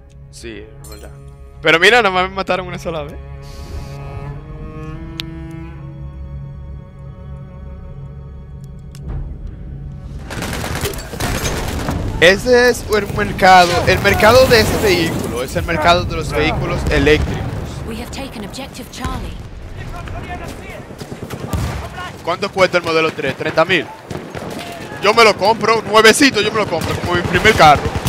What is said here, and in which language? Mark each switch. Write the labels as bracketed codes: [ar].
[es] Sí, es verdad. Pero mira, nomás me mataron una sola vez. Ese es el mercado de ese vehículo, es el mercado de los vehículos eléctricos. [en] We have taken objective Charlie. [es] ¿Cuánto cuesta el modelo 3? 30.000. Yo me lo compro, nuevecito yo me lo compro, como mi primer carro.